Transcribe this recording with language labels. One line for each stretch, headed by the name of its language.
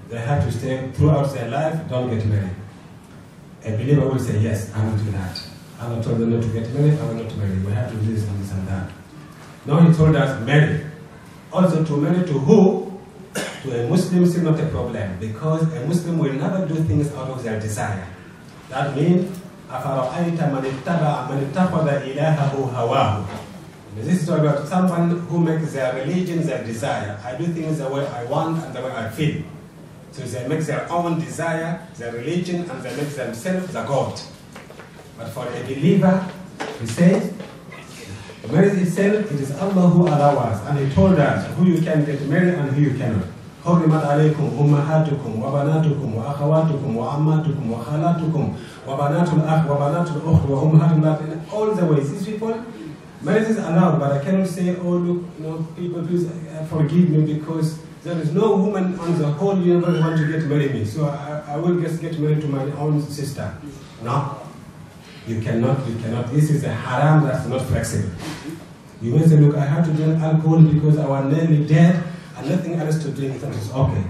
English: They have to stay throughout their life, don't get married. A believer will say, yes, I will do that. Allah told them not to get married, I will not marry. We have to do this and this and that. Now he told us, marry. Also, to marry to who? To a Muslim is not a problem, because a Muslim will never do things out of their desire. That means,
Arabic: أَفَرَعَيْتَ مَنِ اتَّقَضَ إِلَاهَهُ هَوَاهُ.
English: This is talking about someone who makes their religion their desire. I do things the way I want and the way I feel. So they make their own desire, their religion, and they make themselves the God. But for a believer, he said, marriage itself, it is Allah who allows us. And he told us who you can get married and who you cannot.
Arabic: حرمت عليكم أمهاتكم وبناتكم وأخواتكم وعماتكم وخالاتكم وبنات الأخ وبنات الأخ وأمهات الأخ.
English: All the ways. These people, marriage is allowed, but I cannot say, oh, look, no, people, please forgive me because there is no woman on the whole universe who wants to get married me. So I will just get married to my own sister. No. You cannot. This is a haram that's not flexible. You may say, look, I have to drink alcohol because our name is dead and nothing else to drink. That is okay.